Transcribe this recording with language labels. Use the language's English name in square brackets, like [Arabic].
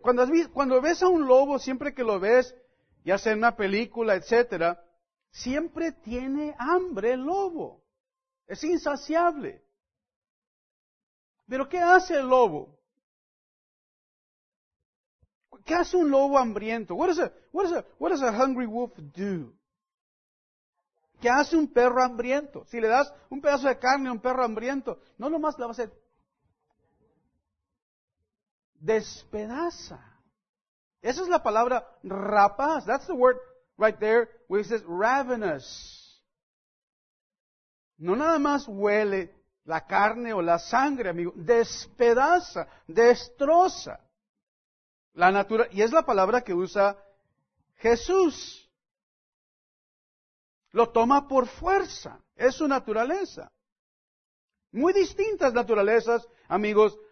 [Spanish] Cuando ves a un lobo, siempre que lo ves, ya sea en una película, etcétera, siempre tiene hambre el lobo. Es insaciable. ¿Pero qué hace el lobo? ¿Qué hace un lobo hambriento? [English] What does a hungry wolf do? [Spanish] ¿Qué hace un perro hambriento? Si le das un pedazo de carne a un perro hambriento, no nomás la va a hacer. Despedaza. Esa es la palabra rapaz. [English] That's the word right there, where it says ravenous. [Spanish] No nada más huele la carne o la sangre, amigo. Despedaza, destroza la natura. Y es la palabra que usa Jesús. Lo toma por fuerza. Es su naturaleza. Muy distintas naturalezas, amigos.